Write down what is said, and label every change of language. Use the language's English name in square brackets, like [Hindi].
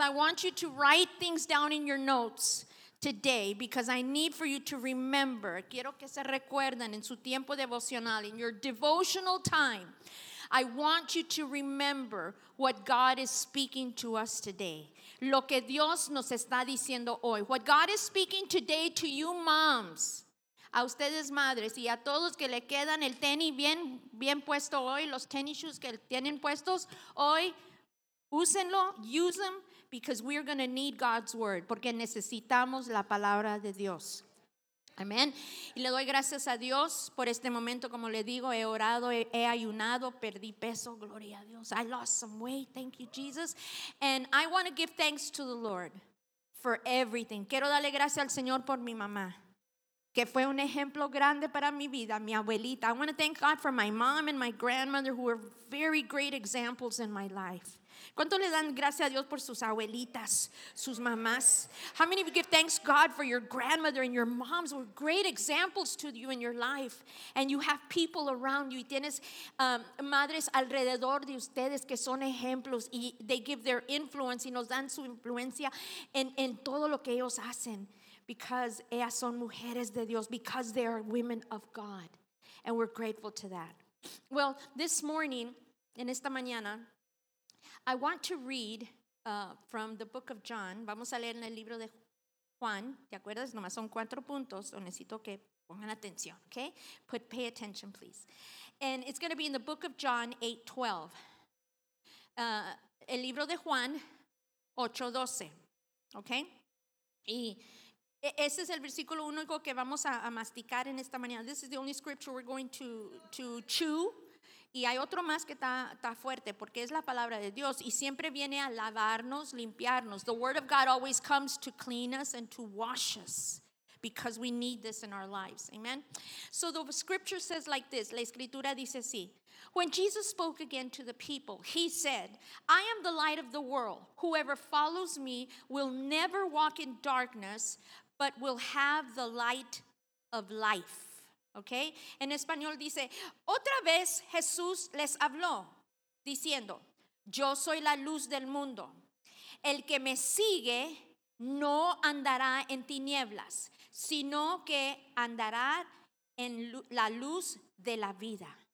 [English] I want you to write things down in your notes today because I need for you to remember. [Spanish] Quiero que se recuerden en su tiempo devocional, [English] in your devotional time. I want you to remember what God is speaking to us today. [Spanish] Lo que Dios nos está diciendo hoy. [English] What God is speaking today to you moms. [Spanish] A ustedes madres y a todos que le quedan el tenis bien puesto hoy, los tennis shoes que tienen puestos hoy, úsenlo, [English] use them, because we are going to need God's word, [Spanish] porque necesitamos la palabra de Dios. Amén. Y le doy gracias a Dios por este momento, como le digo, he orado, he ayunado, perdí peso, gloria a Dios. [English] I lost some weight, thank you Jesus. And I want to give thanks to the Lord for everything. [Spanish] Quiero darle gracias al Señor por mi mamá, que fue un ejemplo grande para mi vida, mi abuelita. [English] I want to thank God for my mom and my grandmother who were very great examples in my life. [Spanish] ¿Cuánto le dan gracias a Dios por sus abuelitas, sus mamás? [English] How many of you give thanks God for your grandmother and your moms were great examples to you in your life? And you have people around you. [Spanish] Y tienes madres alrededor de ustedes que son ejemplos. Y [English] they give their influence [Spanish] y nos dan su influencia en todo lo que ellos hacen. [English] Because [Spanish] ellas son mujeres de Dios, [English] because they are women of God. And we're grateful to that. Well, this morning, [Spanish] en esta mañana, [English] I want to read from the book of John. [Spanish] Vamos a leer en el libro de Juan. ¿Te acuerdas? Nomás son cuatro puntos. So necesito que pongan atención, okay? [English] Pay attention, please. And it's going to be in the book of John 8:12. [Spanish] El libro de Juan 8:12, okay? Y ese es el versículo único que vamos a masticar en esta mañana. [English] This is the only scripture we're going to chew. [Spanish] Y hay otro más que está fuerte porque es la palabra de Dios. Y siempre viene a lavarnos, limpiarnos. [English] The word of God always comes to clean us and to wash us because we need this in our lives. Amen. So the scripture says like this. [Spanish] La escritura dice así. [English] When Jesus spoke again to the people, he said, I am the light of the world. Whoever follows me will never walk in darkness, but will have the light of life. Okay? [Spanish] En español dice, otra vez Jesús les habló, diciendo, yo soy la luz del mundo. El que me sigue no andará en tinieblas, sino que andará en la luz de la vida.